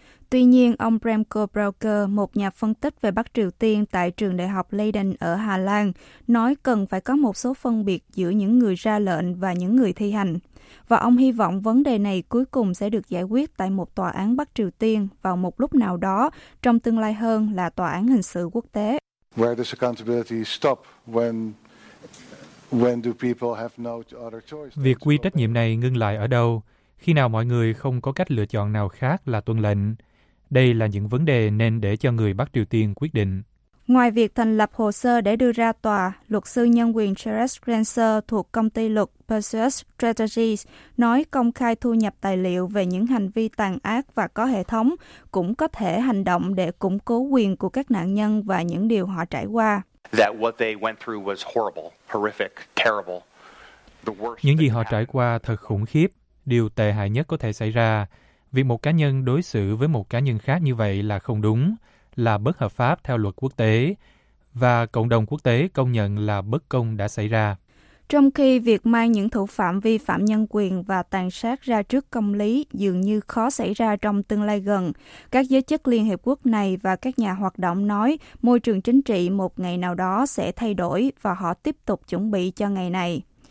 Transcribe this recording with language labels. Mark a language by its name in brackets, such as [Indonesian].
[Vietnamese] Tuy nhiên, ông Remco Brauker, một nhà phân tích về Bắc Triều Tiên tại trường đại học Leiden ở Hà Lan, nói cần phải có một số phân biệt giữa những người ra lệnh và những người thi hành. Và ông hy vọng vấn đề này cuối cùng sẽ được giải quyết tại một tòa án Bắc Triều Tiên vào một lúc nào đó, trong tương lai hơn là tòa án hình sự quốc tế. [English] Where does accountability stop when do people have no other choice? [Vietnamese] Việc quy trách nhiệm này ngưng lại ở đâu? Khi nào mọi người không có cách lựa chọn nào khác là tuân lệnh? Đây là những vấn đề nên để cho người Bắc Triều Tiên quyết định. Ngoài việc thành lập hồ sơ để đưa ra tòa, luật sư nhân quyền Charles Grenser thuộc công ty luật Perseus Strategies nói công khai thu nhập tài liệu về những hành vi tàn ác và có hệ thống cũng có thể hành động để củng cố quyền của các nạn nhân và những điều họ trải qua. [English] That what they went through was horrible, horrific, terrible. The worst. [Vietnamese] Những gì họ trải qua thật khủng khiếp, điều tệ hại nhất có thể xảy ra. Việc một cá nhân đối xử với một cá nhân khác như vậy là không đúng, là bất hợp pháp theo luật quốc tế, và cộng đồng quốc tế công nhận là bất công đã xảy ra. Trong khi việc mang những thủ phạm vi phạm nhân quyền và tàn sát ra trước công lý dường như khó xảy ra trong tương lai gần, các giới chức Liên Hiệp Quốc này và các nhà hoạt động nói môi trường chính trị một ngày nào đó sẽ thay đổi và họ tiếp tục chuẩn bị cho ngày này.